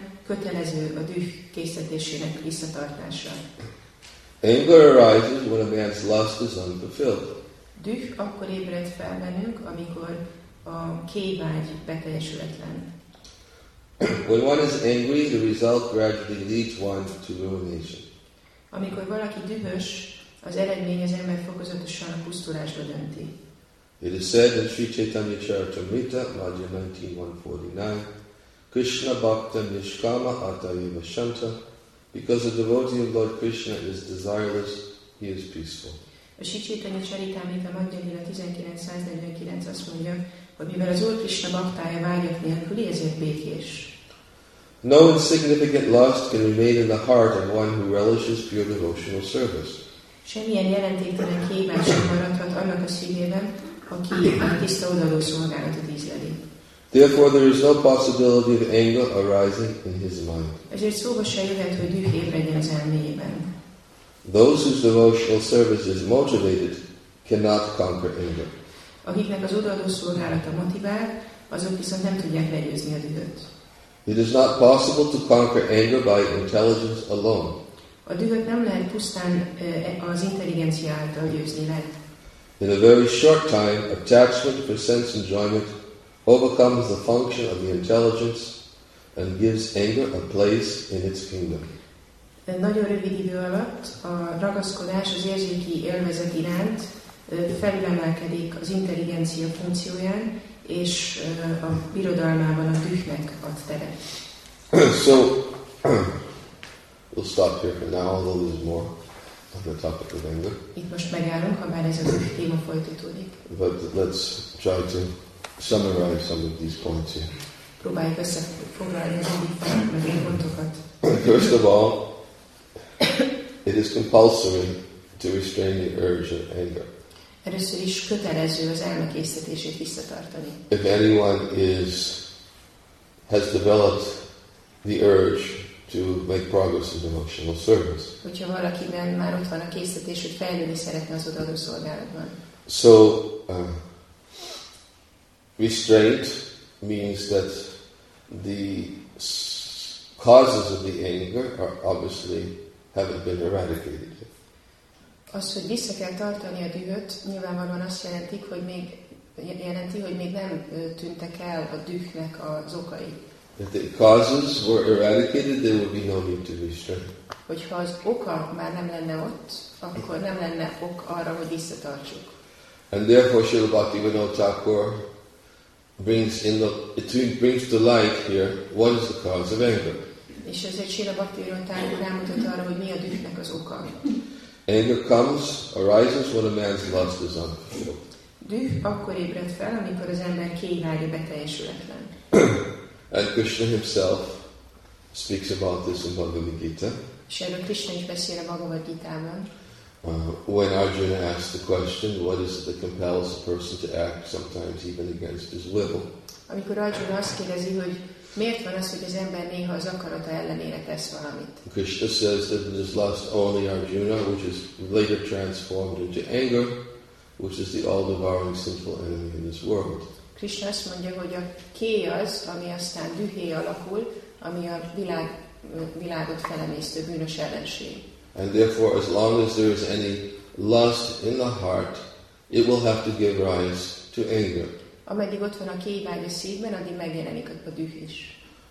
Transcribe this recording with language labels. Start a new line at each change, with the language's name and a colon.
Hungarian: kötelező a düh készítésének visszatartása.
English: Anger arises when a man's lust is unfulfilled.
Hungarian: Düh akkor ébred fel bennünk, amikor a kévágy beteljesületlen.
English: When one is angry, the result gradually leads one to ruination.
Hungarian: Amikor valaki dühös, az eredmény az ember fokozatosan a pusztulásba dönti.
English: It is said in Sri Chaitanya Charitamrita, Madhya 19.149,
Sanskrit: Krishna Bhakta Nishkama Atayeva Shanta,
English: because a devotee of Lord Krishna is desireless, he is peaceful.
Hungarian: A Sri Chaitanya Charitamrita Madhya 19.149 azt mondja, hogy mivel az Úr Krishna baktája vágyak nélküli, ezért békés.
English: No insignificant lust can remain in the heart of one who relishes pure devotional service.
Hungarian: Semmilyen jelentéktelen kívánság sem maradhat annak a szívében, aki a tiszta odaadó szolgálatot ízleli.
English: Therefore, there is no possibility of anger arising in his mind.
Hungarian: Ezért szóba se jöhet, hogy düh ébredjen az elméjében.
English: Those whose devotional service is motivated cannot conquer anger.
Hungarian: Akiknek az odaadó szolgálata motivál, azok viszont nem tudják legyőzni a dühöt.
English: It is not possible to conquer anger by intelligence alone.
Hungarian: A dühöt nem lehet pusztán az intelligencia által győzni le.
English: In a very short time, attachment for sense enjoyment overcomes the function of the intelligence and gives anger a place in its kingdom.
Hungarian: Nagyon rövid idő alatt a ragaszkodás az érzéki élvezet iránt felülemelkedik az intelligencia funkcióján, és a birodalmában a dühnek ad teret.
English: So, we'll stop here for now, although there's more on the topic of anger.
Hungarian: Itt most megállunk, ha már ez az új téma folytatódik.
English: But let's try to summarize some of these points here.
Hungarian: Próbáljuk összefoglalni az egyik pontokat.
English: First of all, it is compulsory to restrain the urge of anger.
Hungarian: Először is kötelező az elmekésztetését visszatartani.
English: If anyone has developed the urge to make progress in devotional service.
Hungarian: Hogyha valakiben már ott van a késztetés, hogy fejlődni szeretne az odaadó szolgálatban.
English: So, restraint means that the causes of the anger are obviously haven't been eradicated.
Hungarian: Az, hogy vissza kell tartani a dühöt, nyilvánvalóan azt jelenti, hogy még nem tűntek el a dühnek az okai.
English: If the causes were eradicated, there would be no need to restrain.
Hungarian: Hogyha az oka már nem lenne ott, akkor nem lenne ok arra, hogy visszatartsuk.
English: And therefore, Srila Bhaktivinoda Thakur brings to light here what is the cause of anger.
Hungarian: És ezért Srila Bhaktivinoda Thakur rámutat arra, hogy mi a dühnek az oka.
English: Anger arises when a man's lust is unfulfilled.
Hungarian: Düh akkor ébred fel, amikor az ember kényvágya beteljesületlen.
English: And Krishna himself speaks about this in Bhagavad Gita.
Hungarian: Srila Krishna is beszél a Bhagavad Gita-ban.
English: When Arjuna asks the question, what is it that compels a person to act sometimes even against his will?
Hungarian: Amikor Arjuna azt kérdezi, hogy miért van az, hogy az ember néha az akarata ellenére tesz valamit?
English: Krishna says that it is lust only Arjuna, which is later transformed into anger, which is the all-devouring sinful enemy in this world.
Hungarian: Krishna azt mondja, hogy a kéj az, ami aztán dühé alakul, ami a világot felemésztő bűnös ellenség.
English: And therefore, as long as there is any lust in the heart, it will have to give rise to anger.
Hungarian: Ameddig ott van a kévágy a szívben, addig megjelenik a düh is.